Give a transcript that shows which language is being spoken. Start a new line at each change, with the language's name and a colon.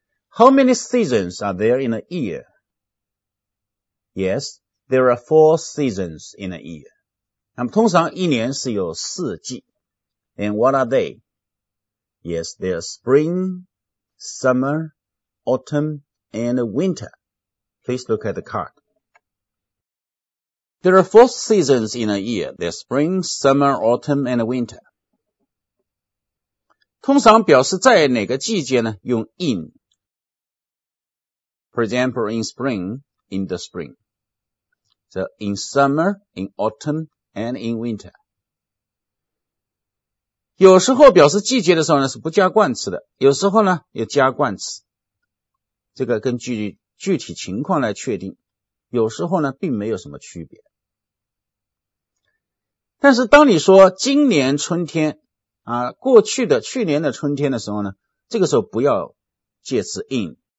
English: How many seasons are there in a year? Yes, there are 4 seasons in a year
Chinese: 那么通常一年是有四季
English: And what are they? Yes, there's spring, summer, autumn, and winter. Please look at the card. There are 4 seasons in a year. There's spring, summer, autumn, and winter.
Chinese: 通常表示在哪个季节呢？用 in.
English: For example, in spring, in the spring. So in summer, in autumn, and in winter.
Chinese: 有时候表示季节的时候呢是不加冠词的有时候呢也加冠词这个根据具体情况来确定有时候呢并没有什么区别但是当你说今年春天啊，过去的去年的春天的时候呢这个时候不要介词 in